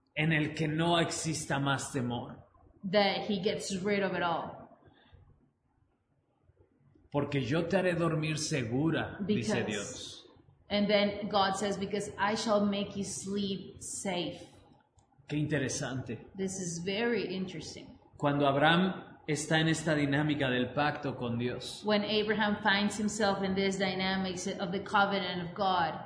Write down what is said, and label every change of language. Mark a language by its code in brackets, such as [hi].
[es] En el que no exista más temor. [en] That he gets rid of it all. [es] Porque yo te haré dormir segura, dice Dios. [en] And then God says, because I shall make you sleep safe. [es] Qué interesante. [en] This is very interesting. [es] Cuando Abraham está en esta dinámica del pacto con Dios. [en] When Abraham finds himself in this dynamics of the covenant of God.